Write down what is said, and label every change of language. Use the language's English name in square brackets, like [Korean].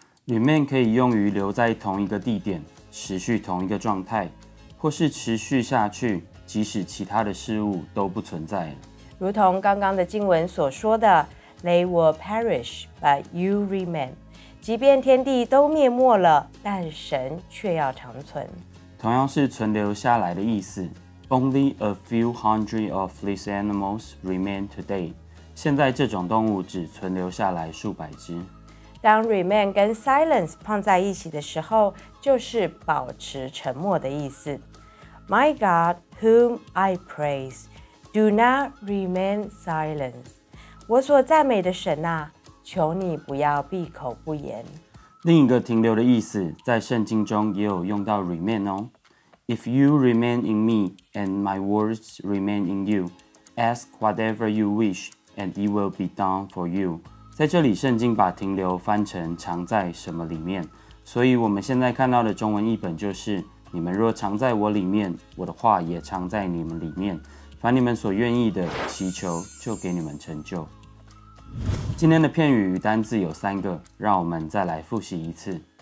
[Chinese] remain 可以用于留在同一个地点，持续同一个状态，或是持续下去，即使其他的事物都不存在。如同刚刚的经文所说的 [English] They will perish, but you remain. [Chinese] 即便天地都灭没了，但神却要长存。同样是存留下来的意思。 [English] Only a few hundred of these animals remain today. [Chinese] 现在这种动物只存留下来数百只。当 remain 跟 silence 碰在一起的时候，就是保持沉默的意思。 [English] My God, whom I praise, do not remain silent. [Chinese] 我所赞美的神啊，求你不要闭口不言。另一个停留的意思，在圣经中也有用到 remain 哦。 [English] If you remain in me, and my words remain in you, ask whatever you wish, and it will be done for you. [Chinese] 在这里，圣经把停留翻成藏在什么里面，所以我们现在看到的中文译本就是你们若藏在我里面，我的话也藏在你们里面，凡你们所愿意的祈求就给你们成就。今天的片语与单字有三个，让我们再来复习一次。